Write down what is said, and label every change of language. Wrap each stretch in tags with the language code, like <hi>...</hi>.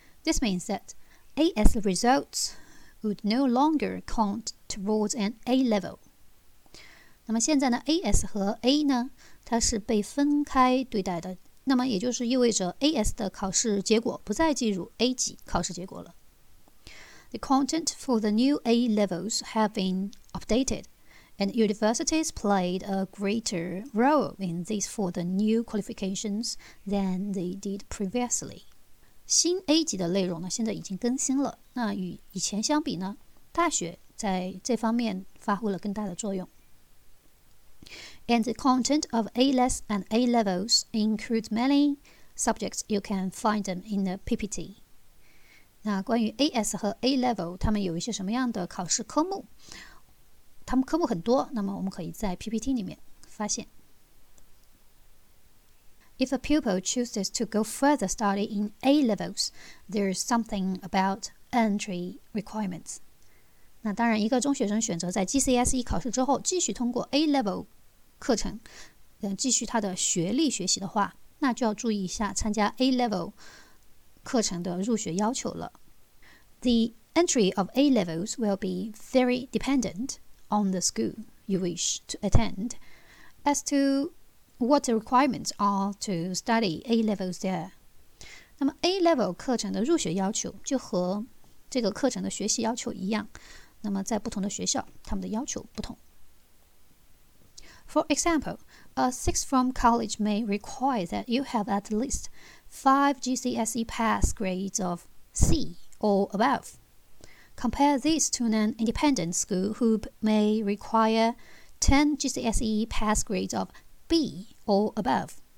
<en>This means that AS results would no longer count towards an A level.</en> <zh>那么现在呢 ,AS 和 A 呢它是被分开对待的。那么也就是意味着 AS 的考试结果不再计入 A 级考试结果了。</zh> <en>The content for the new A levels have been updated, and universities played a greater role in this for the new qualifications than they did previously.</en> <zh>新 A 级的内容呢现在已经更新了。那与以前相比呢，大学在这方面发挥了更大的作用。</zh> <en>And the content of A-less and A-levels include many subjects. You can find them in the PPT.</en> <zh>那关于 AS 和 A-level, 他们有一些什么样的考试科目？他们科目很多，那么我们可以在 PPT 里面发现。</zh> <en>If a pupil chooses to go further study in A-levels, there's something about entry requirements.</en> <zh>那当然，一个中学生选择在 GCSE 考试之后继续通过 A-level课程，继续他的学历学习的话，那就要注意一下参加 A-level 课程的入学要求了。</zh> <en>The entry of A-levels will be very dependent on the school you wish to attend as to what the requirements are to study A-levels there.</en> <zh>那么 A-level 课程的入学要求就和这个课程的学习要求一样，那么在不同的学校，他们的要求不同。</zh> <en>For example, a sixth form college may require that you have at least 5 GCSE pass grades of C or above. Compare this to an independent school who may require 10 GCSE pass grades of B or above.</en>